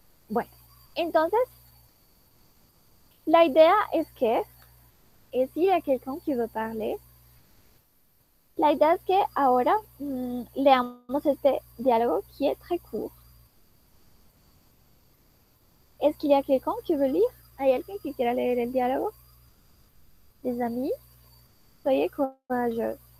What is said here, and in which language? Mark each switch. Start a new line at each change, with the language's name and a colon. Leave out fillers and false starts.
Spanish: Bueno, entonces, la idea es que, es decir
French: a quelqu'un qui veut parler,
Spanish: la idea es que ahora leamos este diálogo
French: qui est très court.
Spanish: ¿Es que hay alguien que quiera leer? ¿Hay alguien que quiera leer el diálogo?
French: Les amis, soyez courageux.